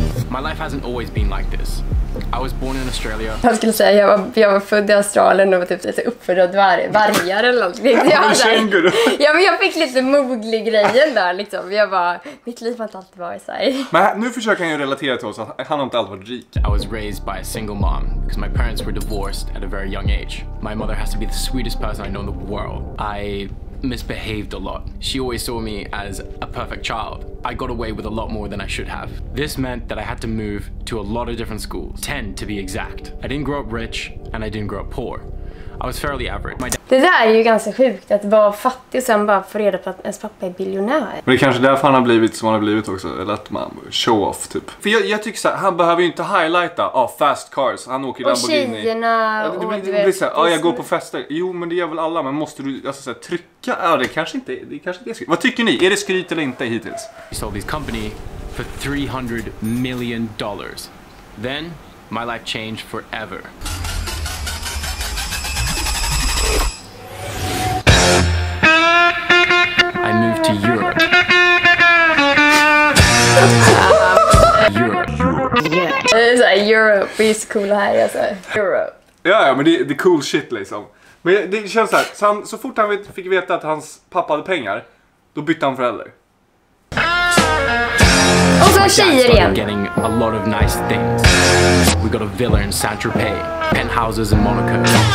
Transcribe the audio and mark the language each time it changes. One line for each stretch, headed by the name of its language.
English: My life hasn't always been like this. I was born in Australia.
Swedish: Jag skulle säga jag var född i Australien och var typ lite uppfödd av vargar eller något. Ja, men känguru. Ja, men jag fick lite moglig grejen där liksom. Jag var mitt liv har inte alltid varit så här. Men nu försöker han ju relatera till oss att han har inte alltid varit rik.
English: I was raised by a single mom because my parents were divorced at a very young age. My mother has to be the sweetest person I know in the world. I misbehaved a lot. She always saw me as a perfect child. I got away with a lot more than I should have. This meant that I had to move to a lot of different schools, 10 to be exact. I didn't grow up rich and I didn't grow up poor. I was fairly average.
Swedish: Det där är ju ganska sjukt att vara fattig och sen bara få reda på att ens pappa är biljonär. Men det kanske därför han har blivit som han har blivit också, eller att man
English: show off
Swedish: typ. För jag tycker så här, han behöver ju inte highlighta
English: fast cars.
Swedish: Han åker och Lamborghini. Tjejerna, och tjejerna det blir så här, jag går på fester. Jo, men det gör väl alla, men måste du alltså så här, trycka? Ja, det kanske inte är skryt. Vad tycker ni? Är det skryt eller inte hittills?
English: He sold his company for $300 million. Then my life changed forever. I moved to Europe.
Swedish: Europe är så cool här alltså. Europe. Ja, men det är
English: cool shit
Swedish: liksom. Men det känns så här, så fort han fick veta att hans pappa hade pengar, då bytte han förälder. Och så tjejer igen.
English: Getting a lot of nice things. We got a villa in Saint-Tropez, penthouses in Monaco.